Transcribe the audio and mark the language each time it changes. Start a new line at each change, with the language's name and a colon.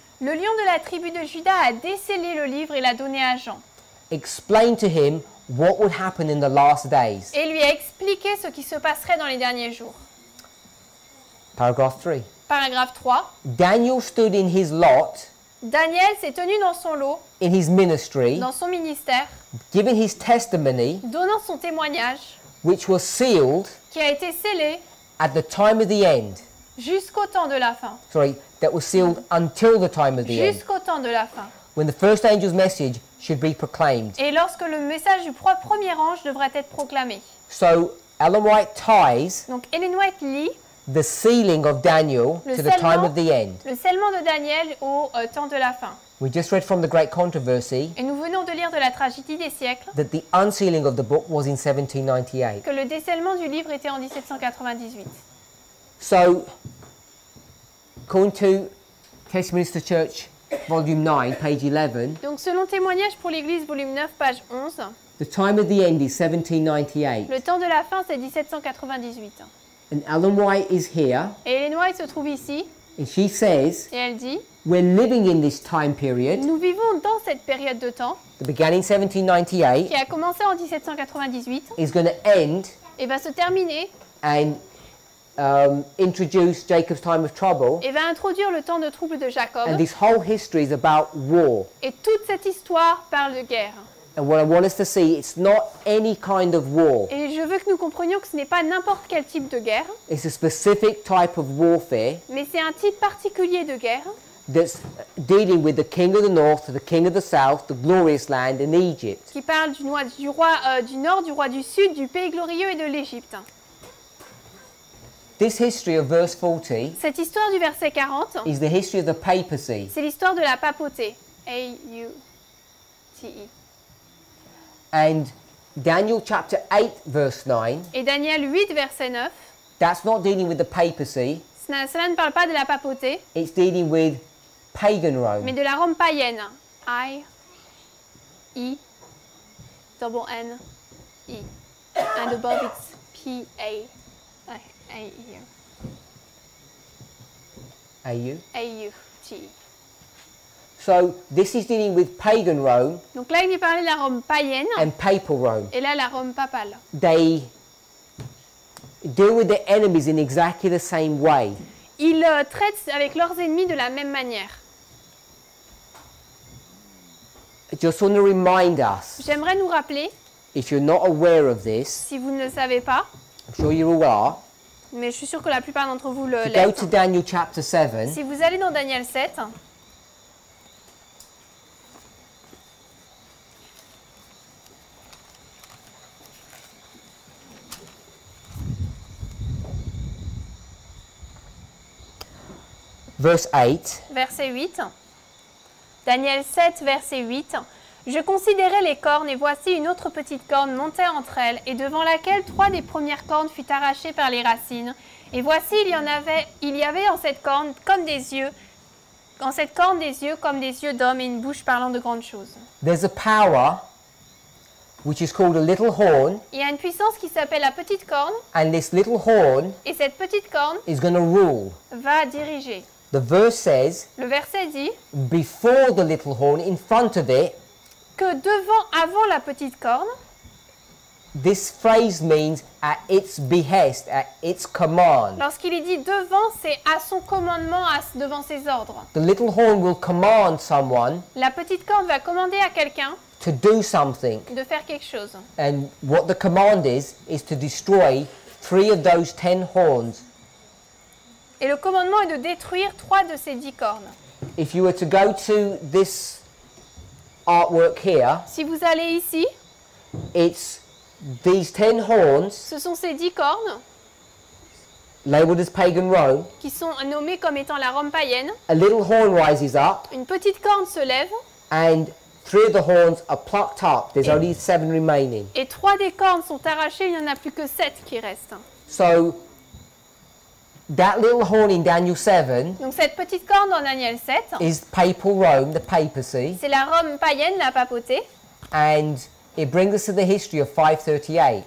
French: Le lion de la tribu de Juda a décellé le livre et l'a donné à Jean.
English: Explain to him what would happen in the last days.
French: Et lui a expliqué ce qui se passerait dans les derniers jours.
English: Paragraph 3.
French: Paragraphe 3.
English: Daniel stood in his lot.
French: Daniel s'est tenu dans son lot.
English: In his ministry.
French: Dans son ministère.
English: Giving his testimony.
French: Donnant son témoignage.
English: Which was sealed.
French: Qui a été scellé.
English: At the time of the end.
French: Jusqu'au temps de la fin.
English: Sorry, that was sealed until the time of the
French: jusqu'au
English: end.
French: Jusqu'au temps de la fin.
English: When the first angel's message should be proclaimed.
French: Et lorsque le message du premier ange devrait être proclamé.
English: So, Ellen White ties.
French: Donc, Ellen White lit.
English: The sealing of Daniel le to the time of the end.
French: Le scellement de Daniel au temps de la fin.
English: We just read from the Great Controversy.
French: Et nous venons de lire de la tragédie des siècles.
English: That the unsealing of the book was in 1798.
French: Que le décellement du livre était en 1798.
English: So, according to Testimonies to Church, volume 9, page 11.
French: Donc selon Témoignage pour l'Église, volume 9, page 11.
English: The time of the end is 1798.
French: Le temps de la fin c'est 1798.
English: And Ellen White is here.
French: Et Ellen White se trouve ici.
English: And she says,
French: et elle dit,
English: we're living in this time period.
French: Nous vivons dans cette période de temps.
English: That began in 1798.
French: Qui a commencé en 1798.
English: Is going to end.
French: Et va se terminer.
English: And introduce Jacob's time of trouble.
French: Et va introduire le temps de trouble de Jacob.
English: And this whole history is about war.
French: Et toute cette histoire parle de guerre.
English: And what I want us to see, it's not any kind of war.
French: Et je veux que nous comprenions que ce n'est pas n'importe quel type de guerre.
English: It's a specific type of warfare.
French: Mais c'est un type particulier de guerre.
English: That's dealing with the king of the north, the king of the south, the glorious land in Egypt.
French: Qui parle du nord, du roi du sud, du pays glorieux et de l'Égypte.
English: This history of verse 40.
French: Cette histoire du verset 40.
English: Is the history of the papacy.
French: C'est l'histoire de la papauté. A U T E.
English: And Daniel chapter 8 verse 9.
French: Et Daniel 8 verset 9.
English: That's not dealing with the papacy.
French: Cela ne parle pas de la papauté.
English: It's dealing with pagan Rome.
French: Mais de la Rome païenne. I E double N E and above it's P A A U. A U. A U T.
English: So this is dealing with pagan Rome.
French: Donc là, il lui parlait de la Rome païenne.
English: And papal Rome.
French: Et là, la Rome papale.
English: They deal with their enemies in exactly the same way.
French: Ils traitent avec leurs ennemis de la même manière.
English: I just want to remind us.
French: J'aimerais nous rappeler.
English: If you're not aware of this.
French: Si vous ne le savez pas.
English: I'm sure you are.
French: Mais je suis sûr que la plupart d'entre vous le.
English: Go to Daniel chapter 7.
French: Si vous allez dans Daniel 7. Verset 8. Daniel 7, verset 8. Je considérais les cornes, et voici une autre petite corne montait entre elles, et devant laquelle trois des premières cornes furent arrachées par les racines. Et voici, il y avait en cette corne comme des yeux, en cette corne des yeux comme des yeux d'homme et une bouche parlant de grandes choses.
English: There's a power which is called a little horn.
French: Il y a une puissance qui s'appelle la petite corne.
English: And this little horn.
French: Et cette petite corne
English: is going to rule.
French: Va diriger.
English: The verse says.
French: Le verset dit.
English: Before the little horn, in front of it.
French: Que devant, avant la petite corne.
English: This phrase means at its behest, at its command.
French: Lorsqu'il est dit devant, c'est à son commandement, devant ses ordres.
English: The little horn will command someone.
French: La petite corne va commander à quelqu'un.
English: To do something.
French: De faire quelque chose.
English: And what the command is to destroy three of those 10 horns.
French: Et le commandement est de détruire trois de ces 10 cornes.
English: If you were to go to this artwork here.
French: Si vous allez ici.
English: It's these 10 horns.
French: Ce sont ces 10 cornes.
English: Labeled as pagan Rome.
French: Qui sont nommées comme étant la Rome païenne.
English: A little horn rises up.
French: Une petite corne se lève.
English: And three of the horns are plucked up. There's only 7 remaining.
French: Et trois des cornes sont arrachées, il n'y en a plus que 7 qui restent.
English: So that little horn in Daniel 7.
French: Donc cette petite corne dans Daniel 7.
English: Is papal Rome, the papacy.
French: C'est la Rome païenne, la papauté.
English: And it brings us to the history of 538.